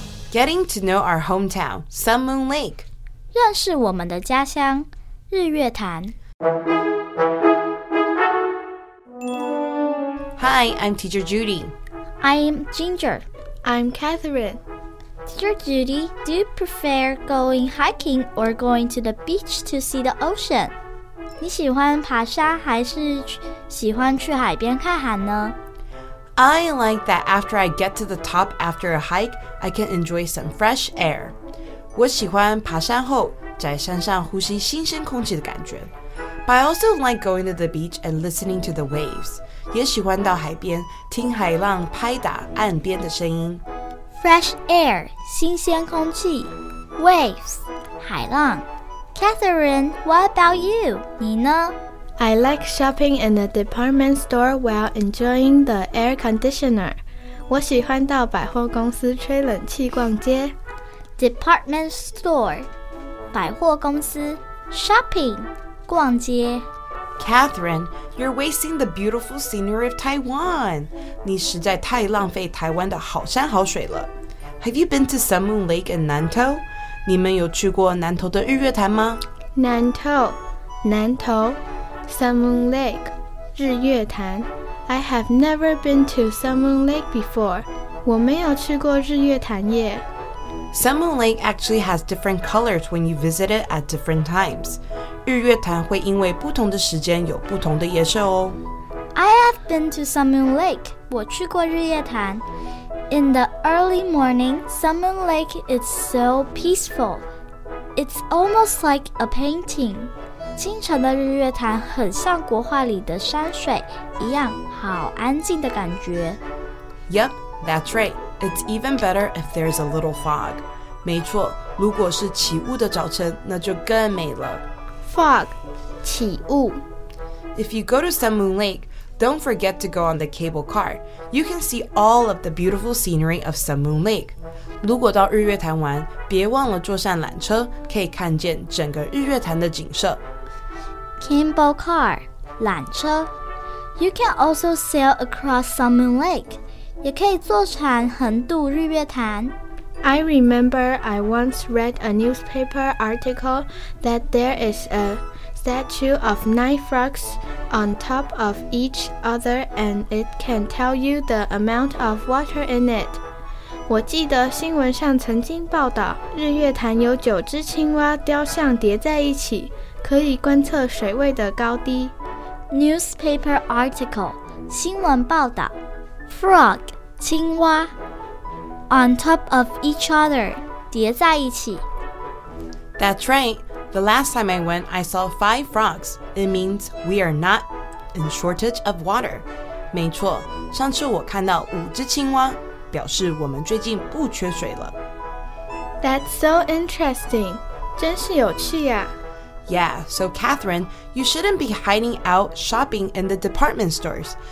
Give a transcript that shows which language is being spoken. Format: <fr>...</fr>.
<en>Getting to know our hometown, Sun Moon Lake.</en> <zh>认识我们的家乡，日月潭。</zh> <en>Hi, I'm Teacher Judy. I'm Ginger. I'm Catherine. Teacher Judy, do you prefer going hiking or going to the beach to see the ocean?</en> <zh>你喜欢爬山还是喜欢去海边看海呢？</zh> <en>I like that after I get to the top after a hike, I can enjoy some fresh air.</en> <zh>我喜欢爬山后在山上呼吸新鲜空气的感觉。</zh> <en>But I also like going to the beach and listening to the waves.</en> <zh>也喜欢到海边听海浪拍打岸边的声音。 Fresh air, 新鲜空气。Waves, 海浪。</zh> <en>Catherine, what about you? 你呢？ I like shopping in a department store while enjoying the air conditioner.</en> <zh>我喜欢到百货公司吹冷气逛街。</zh> <en>Department store, 百货公司。 Shopping, 逛街。 Catherine, you're wasting the beautiful scenery of Taiwan.</en> <zh>你实在太浪费台湾的好山好水了。</zh> <en>Have you been to Sun Moon Lake in Nantou?</en> <zh>你们有去过南投的日月潭吗？</zh> <en>Nantou, 南投。Sun Moon Lake, 日月潭 I have never been to Sun Moon Lake before.</en> <zh>我没有去过日月潭耶。</zh> <en>Sun Moon Lake actually has different colors when you visit it at different times.</en> <zh>日月潭会因为不同的时间有不同的颜色哦。</zh> <en>I have been to Sun Moon Lake. 我去过日月潭。 In the early morning, Sun Moon Lake is so peaceful. It's almost like a painting.</en> <zh>清晨的日月潭很像国画里的山水一样，好安静的感觉。</zh> <en>Yep, that's right. It's even better if there's a little fog.</en> <zh>没错，如果是起雾的早晨，那就更美了。</zh> <en>Fog, 起雾。 If you go to Sun Moon Lake, don't forget to go on the cable car. You can see all of the beautiful scenery of Sun Moon Lake.</en> <zh>如果到日月潭玩，别忘了坐上缆车，可以看见整个日月潭的景色。</zh> <en>Cable car, 缆车。 You can also sail across Sun Moon Lake.</en> <zh>也可以坐船横渡日月潭。</zh> <en>I remember I once read a newspaper article that there is a statue of 9 frogs on top of each other and it can tell you the amount of water in it.</en> <zh>我记得新闻上曾经报道，日月潭有九只青蛙雕像叠在一起。可以观测水位的高低。</zh> <en>Newspaper article, 新闻报道。 Frog, 青蛙。 On top of each other, 叠在一起。 That's right. The last time I went, I saw 5 frogs. It means we are not in shortage of water.</en> <zh>没错，上次我看到五只青蛙，表示我们最近不缺水了。</zh> <en>That's so interesting. 真是有趣呀。 Yeah, so Catherine, you shouldn't be hiding out shopping in the department stores.</en>